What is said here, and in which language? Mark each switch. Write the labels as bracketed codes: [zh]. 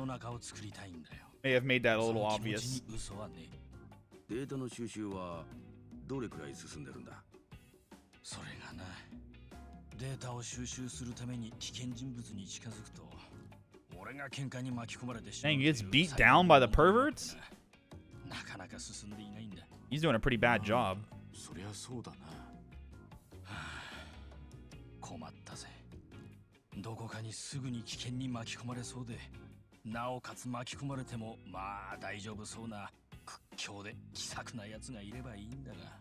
[en] have made that a little obvious. [ja] データの収集はどれくらい進んでるんだ？それがな、データを収集するために危険人物に近づくと、俺が喧嘩に巻き込まれてしまう。 [en] Dang, he gets beat down by the perverts? [ja] なかなか進んでいないんだ。 [en] He's doing a pretty bad job. [ja] そりゃそうだな。困ったぜ。どこかにすぐに危険に巻き込まれそうで、なおかつ巻き込まれてもまあ大丈夫そうな屈強で気さくな奴がいればいいんだが。